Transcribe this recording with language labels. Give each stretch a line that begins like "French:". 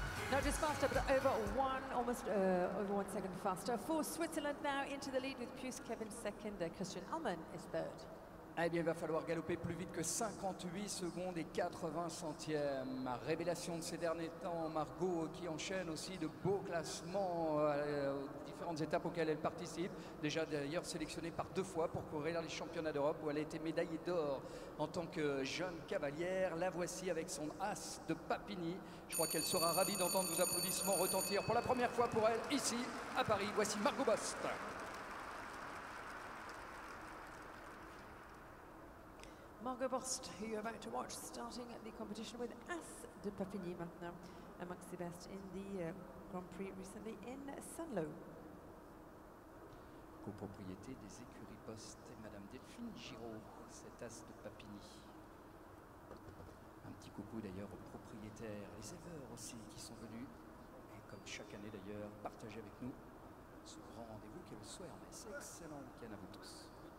English: Not just faster, but over one, almost over 1 second faster. For Switzerland now into the lead with Pius Kevin second, Christian Ullmann is third.
French: Eh bien, il va falloir galoper plus vite que 58 secondes et 80 centièmes. Révélation de ces derniers temps, Margot qui enchaîne aussi de beaux classements aux différentes étapes auxquelles elle participe. Déjà d'ailleurs sélectionnée par deux fois pour courir dans les championnats d'Europe où elle a été médaillée d'or en tant que jeune cavalière. La voici avec son as de Papigny. Je crois qu'elle sera ravie d'entendre vos applaudissements retentir pour la première fois pour elle ici à Paris. Voici Margot Bost.
English: Margot Bost, who you're about to watch, starting the competition with As de Papigny
French: maintenant,
English: amongst the best in the Grand Prix recently in Saint-Lô.
French: Copropriété des écuries Bost et Madame Delphine Giraud, cet As de Papigny. Un petit coucou d'ailleurs aux propriétaires, les éleveurs aussi qui sont venus, et comme chaque année d'ailleurs, partager avec nous ce grand rendez-vous qui est le soir, mais c'est excellent week-end à vous tous.